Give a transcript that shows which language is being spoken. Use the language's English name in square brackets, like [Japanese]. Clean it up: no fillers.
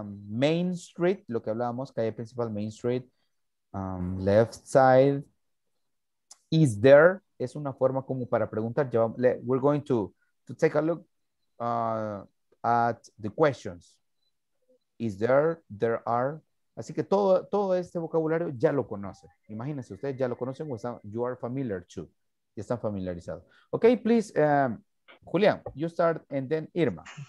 [English] Main street, [Spanish] lo que hablamos, calle principal, [English] main street, left side. Is there? [Spanish] Es una forma como para preguntar. [English] We're going to take a look at the questions. is there, there are. [Spanish] Así que todo, todo este vocabulario ya lo conocen. Imagínense, ustedes ya lo conocen, o [English] you are familiar too. [Spanish] Ya están familiarizados. [English] Ok, please, Julián, you start and then Irma.